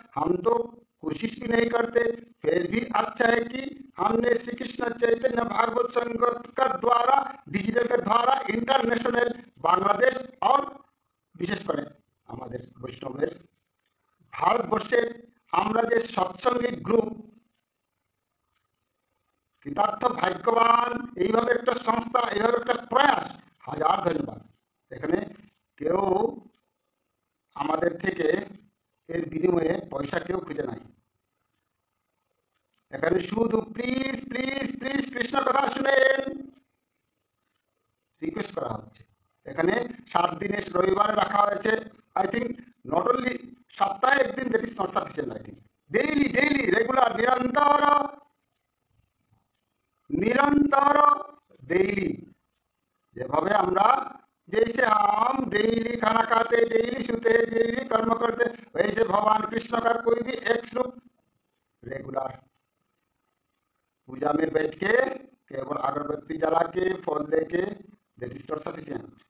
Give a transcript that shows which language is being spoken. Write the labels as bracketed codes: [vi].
[hi] हम तो कोशिश भी नहीं करते, फिर भी अच्छा है कि हमने श्री कृष्ण चैतन्य भागवत संगत का द्वारा डिजिटल के द्वारा इंटरनेशनल बांग्लादेश और विशेष कर हमारे वैष्णव भारतवर्षे हमारा जो सत्संगी ग्रुप कृतार्थ भाग्यवान ये एक संस्था ये एक प्रयास हजार धन्यवाद। [bn] এখানে কেউ আমাদের থেকে এর বিনিময়ে পয়সা কেউ খুঁজে নাই। এখানে শুধু প্লিজ প্লিজ প্লিজ কৃষ্ণ কথা শুনেন রিকোয়েস্ট করা হচ্ছে। এখানে 7 দিনের রবিবারে রাখা হয়েছে [en] I think not only [bn] সপ্তাহে একদিন [en] that is not sufficient I think [bn] daily daily regular নিরন্তর নিরন্তর ডেইলি যেভাবে আমরা [hi] जैसे हम डेली खाना खाते डेली सोते डेली कर्म करते वैसे भगवान कृष्ण का कोई भी एक श्लोक रेगुलर पूजा में बैठ के केवल अगरबत्ती जला के फल दे के [en] That is not sufficient.